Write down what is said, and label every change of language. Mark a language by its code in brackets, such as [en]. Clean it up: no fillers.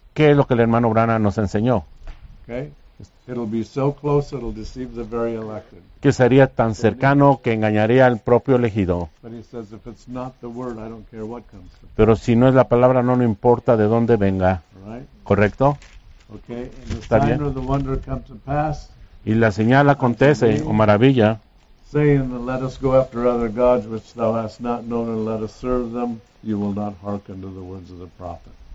[es] ¿Qué es lo que el hermano Branham nos enseñó? [en] Okay. It'll be so close it'll deceive the very elected. [es] Que sería tan cercano que engañaría al propio elegido. [en] But he says, if it's not the word, I don't care what comes. [es] Pero si no es la palabra, no importa de dónde venga. [en] Right. [es] ¿Correcto? [en] Okay. And the sign or the wonder comes to pass. [es] Y la señal acontece, o maravilla. [en] Saying, let us go after other gods which thou hast not known, and let us serve them. You will not hearken to the words of the prophet.